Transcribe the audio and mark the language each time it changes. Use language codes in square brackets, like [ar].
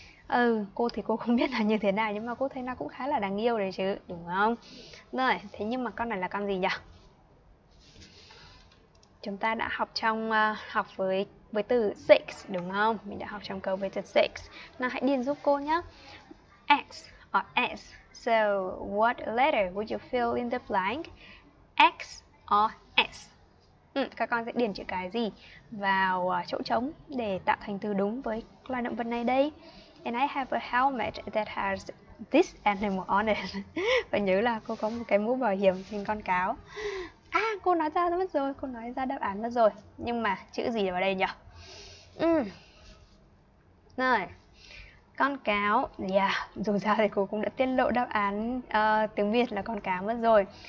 [vi] Ừ, cô thì cô không biết là như thế nào, nhưng mà cô thấy nó cũng khá là đáng yêu đấy chứ, đúng không? Rồi, thế nhưng mà con này là con gì nhỉ? Chúng ta đã học trong học với từ six, đúng không? Mình đã học trong câu với từ six. Nào hãy điền giúp cô nhé. [en] X or S. So, what letter would you fill in the blank? X or S. [vi] Các con sẽ điền chữ cái gì vào chỗ trống để tạo thành từ đúng với loài động vật này đây? [en] And I have a helmet that has this animal on it. [vi] Và nhớ là cô có một cái mũ bảo hiểm hình con cáo. À, cô nói ra mất rồi, cô nói ra đáp án mất rồi. Nhưng mà chữ gì vào đây nhỉ? Rồi, con cáo. Yeah, dù ra thì cô cũng đã tiết lộ đáp án tiếng Việt là con cáo mất rồi.